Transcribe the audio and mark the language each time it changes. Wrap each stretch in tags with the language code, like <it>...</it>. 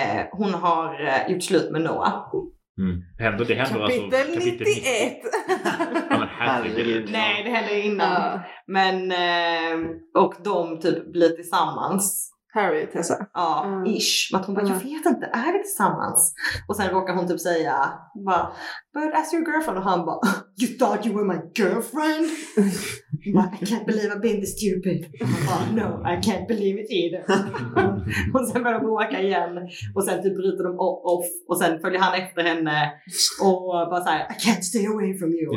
<sv>Hon har gjort slut med Noah. Mm. Händer, det händer kapitel alltså, 91. Kapitel 91. Nej, det händer innan. Mm. Men och de typ blir tillsammans. Harry och Tessa. Ja, mm. Ish. Men hon bara, jag vet inte, är vi tillsammans? Och sen råkar hon typ säga,</sv> <en>but as your girlfriend.</en> <sv>Och han bara,</sv> <en>you thought you were my girlfriend? But I can't believe I've been this stupid.</en> <sv>Och han bara,</sv> <en>no, I can't believe it either.</en> <sv>Och sen börjar de åka igen. Och sen typ bryter de off. Och sen följer han efter henne. Och bara så här,</sv> <en>I can't stay away from you.</en>